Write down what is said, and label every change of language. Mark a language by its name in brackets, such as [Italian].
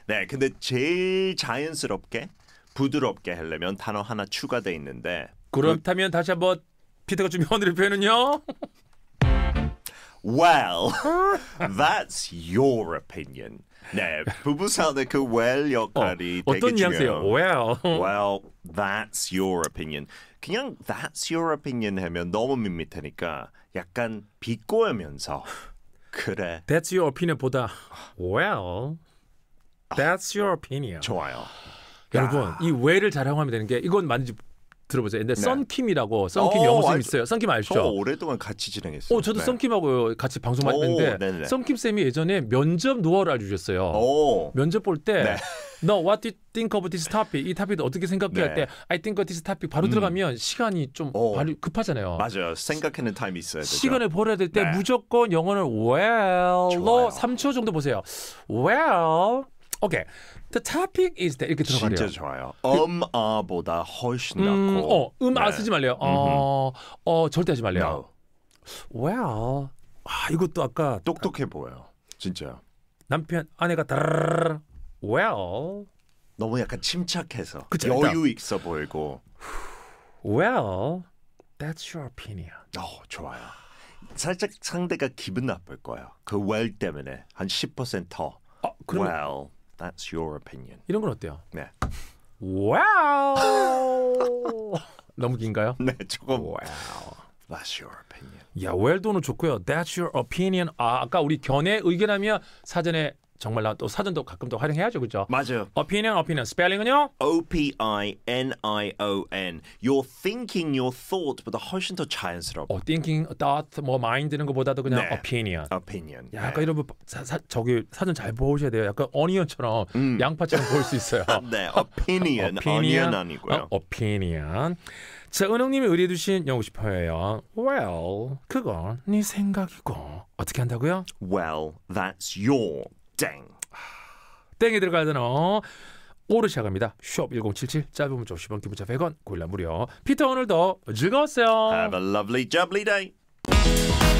[Korean] 네, 근데 제일 자연스럽게, 부드럽게 하려면 단어 하나 추가돼 있는데. 그렇다면 다시 한번 피터가 준비한 오늘의 표현은요? [English] Well, that's your opinion. [Korean] 네, 부부 사이의 그 well 역할이 되게 어떤 중요해요. [English] Well. Well, that's your opinion. [Korean] 그냥 [English] that's your opinion [Korean] 하면 너무 밋밋하니까 약간 비꼬면서 그래. [English] That's your opinion보다 well, that's your opinion. [Korean] 좋아요. 여러분, 이 well을 잘 활용하면 되는 게 이건 맞는지 들어보세요. 근데 썬킴이라고 네. 썬킴 영어쌤 있어요. 썬킴 아시죠? 저 오랫동안 같이 진행했어요. 저도 썬킴하고 네. 같이 방송을 했는데 썬킴쌤이 예전에 면접 노하우를 알려주셨어요. 면접 볼 때 너 네. [English] no, what do you think of this topic? [Korean] 이 topic도 어떻게 생각해? 네. 할 때 [English] I think of this topic [Korean] 바로 들어가면 시간이 좀 급하잖아요. 맞아요. 생각하는 타임이 있어야 되죠. 시간을 벌어야 될 때 네. 무조건 영어를 well로 3초 정도 보세요. [English] Well, okay. The topic is that [Korean] 이렇게 들어가요. 진짜 좋아요. 아보다 훨씬 낫고. 아 네. 쓰지 말래요. 절대 하지 말래요. [English] No. [Korean] Well, 아 이것도 아까 똑똑해 보여요. 진짜요. 남편 아내가 드르르르. Well, 너무 약간 침착해서 그쵸, 여유 일단. 있어 보이고. [English] Well, that's your opinion. [Korean] 좋아요. 살짝 상대가 기분 나쁠 거예요. 그 well 때문에 한 10% 더. 그럼. [English] Well. That's your opinion. [Korean] 이런 건 어때요? 네. 와우. 너무 긴가요? 네, 조금. 와우. [English] That's your opinion. [Korean] 야, well도는 좋고요. [English] That's your opinion. [Korean] 아, 아까 우리 견해 의견하면 사전에 정말 나 또 사전도 가끔 또 활용해야죠, 그렇죠? 맞아요. [English] Opinion, opinion. [Korean] Spelling은요? [English] O-P-I-N-I-O-N. You're thinking your thought, but [Korean] 훨씬 더 자연스럽고. Thinking, thought, 뭐 mind는 것보다도 그냥 네. [English] opinion. Opinion. [Korean] 야, 약간 네. 이런 거 저기 사전 잘 보셔야 돼요. 약간 onion처럼 양파처럼 보일 수 있어요. [English] 네, opinion. opinion. Onion 아니고요. Opinion. [Korean] 자, 은홍님이 의뢰해 주신 영어 싶어요. Well, 그건 네 생각이고. 어떻게 한다고요? [English] Well, that's your 땡. [Korean] 땡에 들어가야 되나? 오르 시작합니다. 샵 1077 짧은 문자 50원 기본자 100원 고일라 무료. 피터 오늘도 즐거웠어요. [English] Have a lovely jubbly day.